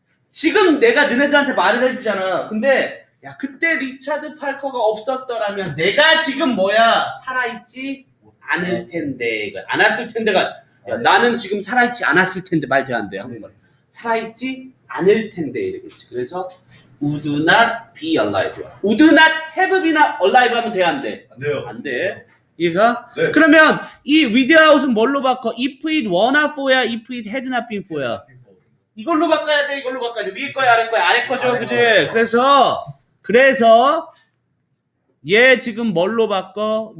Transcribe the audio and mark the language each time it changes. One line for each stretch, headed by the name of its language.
Korean: 지금 내가 너네들한테 말을 해주잖아. 근데 야, 그때 리차드 팔커가 없었더라면 내가 지금 뭐야? 살아있지 않을 텐데. 안았을 텐데가. 야, 나는 지금 살아있지 않았을 텐데 말도 안 돼. 한번 살아있지 않을 텐데 이러겠지. 그래서
English: would not be alive. would not have been alive
Korean: 하면 돼, 안 돼? 안 돼요. 안 돼. 이해가? 네. 그러면 이 without은 뭘로 바꿔?
English: if it were not for야, if it had not been for야?
Korean: 이걸로 바꿔야 돼, 이걸로 바꿔야 돼. 위에 거야, 아래 거야? 아래 거죠, 그지? 그래서, 얘 지금 뭘로 바꿔?